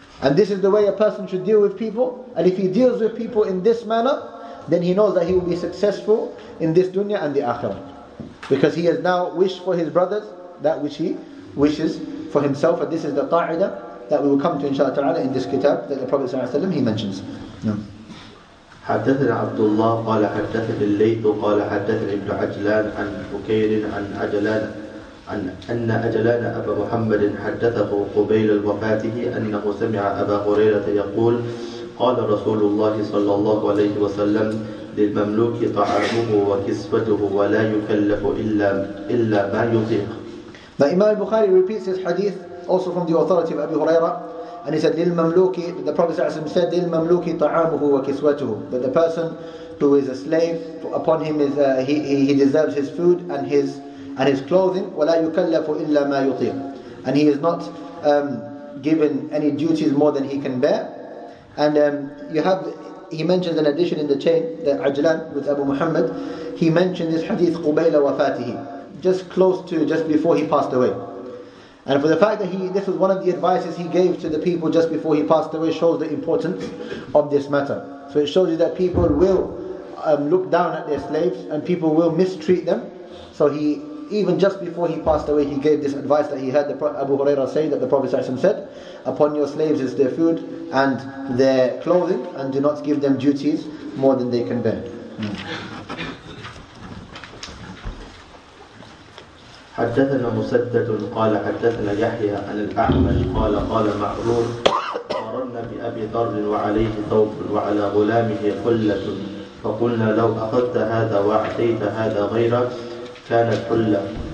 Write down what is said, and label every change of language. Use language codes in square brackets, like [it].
[en] And this is the way a person should deal with people. And if he deals with people in this manner, then he knows that he will be successful in this dunya and the akhirah. Because he has now wished for his brothers that which he wishes for himself. And this is the qa'idah that we will come to inshallah ta'ala in this kitab that the Prophet ﷺ, he mentions. [ar] حدثنا عبد الله قال حدثني الليث قال حدثني ابن عجلان عن بكير عن عجلان عن أن أجلان أبا محمد حدثه قبيل وفاته أنه سمع أبا هريرة يقول قال رسول الله صلى الله عليه وسلم للمملوك طعامه وكسوته ولا يكلف إلا ما يطيق. [en] The Imam Bukhari repeats his hadith also from the authority of Abu Huraira, and he said [ar] للمملوكي, [en] that the Prophet ﷺ said [ar] للمملوك طعامه وكسوته, [en] that the person who is a slave, upon him is he deserves his food and his clothing, [ar] ولا يكلف إلا ما يطيق, [en] and he is not given any duties more than he can bear. And he mentions an addition in the chain that Ajlan with Abu Muhammad, he mentioned this hadith [ar] قُبَيْلَ وَفَاتِهِ, [en] just before he passed away. And for the fact that this was one of the advices he gave to the people just before he passed away, shows the importance of this matter. So it shows you that people will look down at their slaves and people will mistreat them. So he, even just before he passed away, he gave this advice that he heard Abu Huraira say, that the Prophet ﷺ said, upon your slaves is their food and their clothing, and do not give them duties more than they can bear. [ar] حدثنا مسدد قال حدثنا يحيى عن الأعمش قال قال معرور مررنا بأبي ذر وعليه ثوب وعلى غلامه حلة فقلنا لو أخذت هذا وأعطيت هذا غيرك كانت حلة